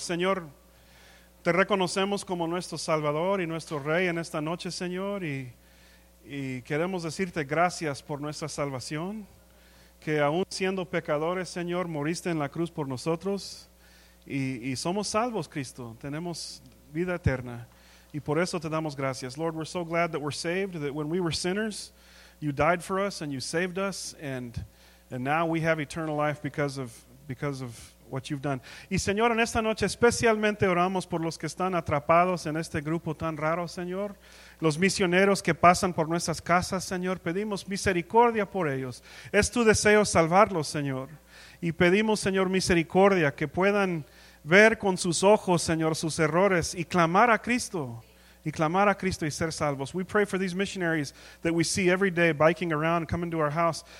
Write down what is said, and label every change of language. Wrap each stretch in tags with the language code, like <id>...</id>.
<es>Señor, te reconocemos como nuestro Salvador y nuestro Rey en esta noche, Señor, y queremos decirte gracias por nuestra salvación, que aún siendo pecadores, Señor, moriste en la cruz por nosotros y somos salvos, Cristo, tenemos vida eterna y por eso te damos gracias.</es> <en>Lord, we're so glad that we're saved, that when we were sinners, you died for us and you saved us and now we have eternal life because of what you've done.</en> <es>Y Señor, en esta noche especialmente oramos por los que están atrapados en este grupo tan raro, Señor. Los misioneros que pasan por nuestras casas, Señor, pedimos misericordia por ellos. Es tu deseo salvarlos, Señor. Y pedimos, Señor, misericordia, que puedan ver con sus ojos, Señor, sus errores y clamar a Cristo. Y clamar a Cristo y ser salvos.</es> <en>We pray for these missionaries that we see every day biking around, coming to our house.</en>